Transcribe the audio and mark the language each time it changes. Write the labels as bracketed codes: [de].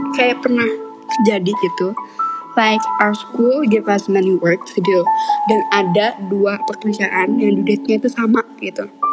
[id] Kayak pernah terjadi gitu. [en] Like, our school give us many work to do. [id] Dan ada dua pekerjaan yang due date-nya itu sama gitu.